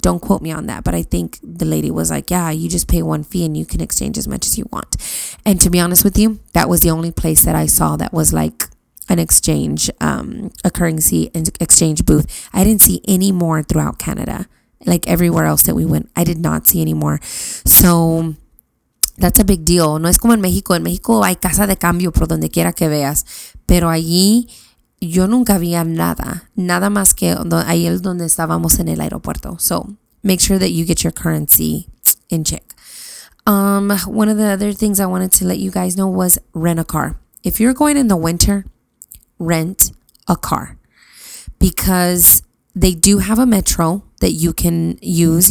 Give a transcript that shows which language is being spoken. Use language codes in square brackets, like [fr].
[en] Don't quote me on that, but I think the lady was like, yeah, you just pay one fee and you can exchange as much as you want. And to be honest with you, that was the only place that I saw that was like an exchange, a currency exchange booth. I didn't see any more throughout Canada. Like everywhere else that we went, I did not see any more. So that's a big deal. [es] No es como en México. En México hay casa de cambio por donde quiera que veas. Pero allí yo nunca vi nada. Nada más que ahí donde estábamos en el aeropuerto. [en] So make sure that you get your currency in check. One of the other things I wanted to let you guys know was rent a car. If you're going in the winter, rent a car. Because they do have a metro that you can use.